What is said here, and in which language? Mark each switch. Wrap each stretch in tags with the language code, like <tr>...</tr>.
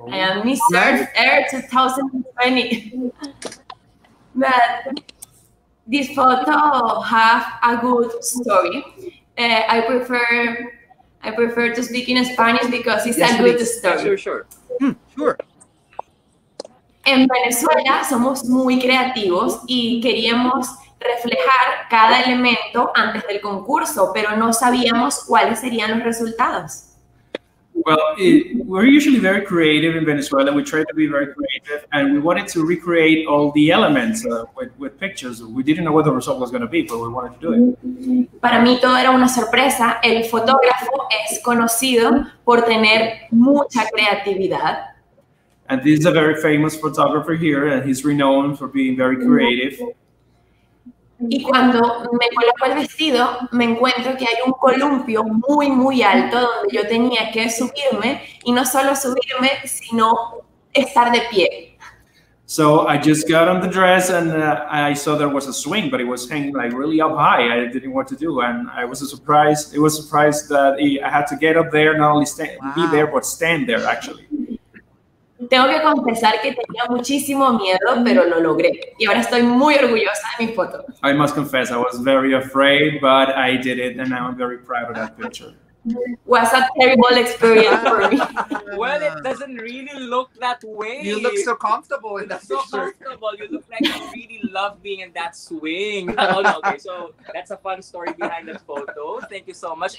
<en>I am Miss Earth Air 2020. But this photo have a good story. I prefer to speak in Spanish because it's yes, a good story. Sure. Sure.</en> <es>En Venezuela somos muy creativos y queríamos reflejar cada elemento antes del concurso, pero no sabíamos cuáles serían los resultados.</es> <en>Well, we're usually very creative in Venezuela. We try to be very creative, and we wanted to recreate all the elements with pictures. We didn't know what the result was going to be, but we wanted to do it.</en> <es>Para mí todo era una sorpresa. El fotógrafo es conocido por tener mucha creatividad.</es> <en>And this is a very famous photographer here, and he's renowned for being very creative.</en> <es>Y cuando me coloco el vestido, me encuentro que hay un columpio muy, muy alto donde yo tenía que subirme, y no solo subirme, sino estar de pie.</es> <en>So I just got on the dress, and I saw there was a swing, but it was hanging like really up high. I didn't know what to do, and I was surprised. It was a surprise that I had to get up there, not only be there, but stand there, actually.</en> <es>Tengo que confesar que tenía muchísimo miedo, pero lo logré. Y ahora estoy muy orgullosa de mi foto.</es> <en>I must confess, I was very afraid, but I did it, and I'm very proud of that picture. Was a terrible experience for me. Well, it doesn't really look that way. You look so comfortable in that so picture. So comfortable. You look like you really love being in that swing. Okay, so that's a fun story behind the photo. Thank you so much.</en>